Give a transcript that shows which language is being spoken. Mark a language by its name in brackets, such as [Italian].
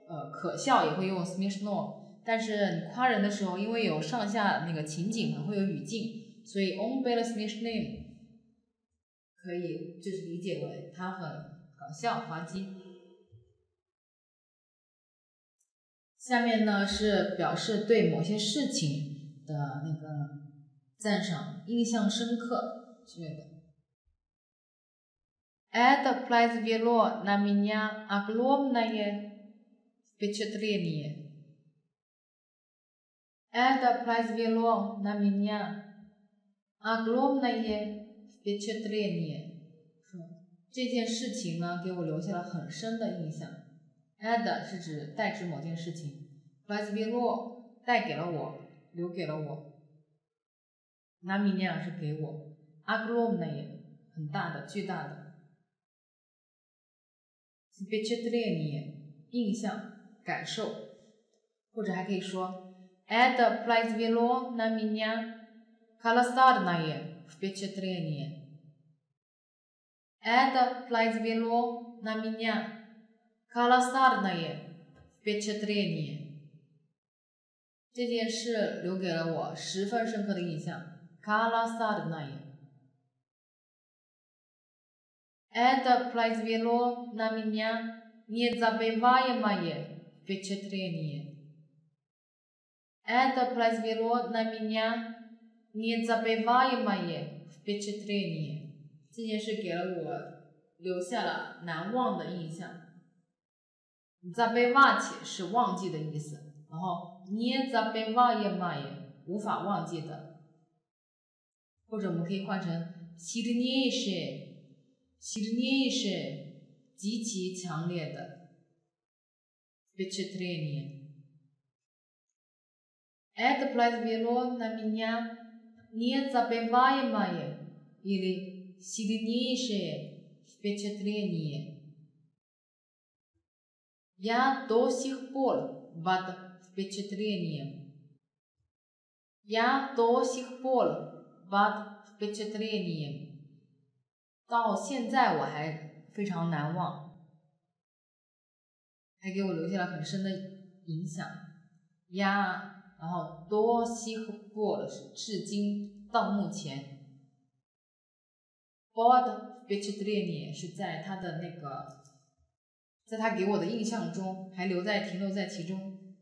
[Chinese] 可笑也会用 смешно， 但是你夸人的时候，因为有上下那个情景嘛，会有语境，所以 [Russian] он был смешным [Chinese] 可以就是理解为他很搞笑滑稽。下面呢是表示对某些事情的那个赞赏，印象深刻之类的。 [Russian] Это произвело на меня огромное впечатление. Это произвело на меня огромное впечатление. [Chinese] 这件事情呢，给我留下了很深的印象。Это 是指代指某件事情 ，произвело 带给了我，留给了我。 На меня 是给我 ，огромное 很大的、巨大的。 впечатление 印象感受，或者还可以说 [Russian] это произвело на меня колоссальное впечатление， [Chinese] это произвело на меня колоссальное впечатление， 这件事留给了我十分深刻的印象 колоссальное。 [Russian] Это произвело на меня незабываемое впечатление. Это произвело на меня незабываемое впечатление. [Chinese] 这件事给了我留下了难忘的印象。 Забывать 是忘记的意思，然后незабываемое 无法忘记的，或者我们可以换成 сильнейшее。 [Russian] Сильнейшее [Chinese] 极其强烈的 [Russian] впечатление. Это произвело на меня незабываемое или сильнейшее впечатление. Я до сих пор под впечатлением. Я до сих пор под впечатлением. [Chinese] 到现在我还非常难忘，还给我留下了很深的影响。呀，然后多西和波的是至今到目前 ， [Russian] bod впечатление [Chinese] 是在他的那个，在他给我的印象中还留在停留在其中。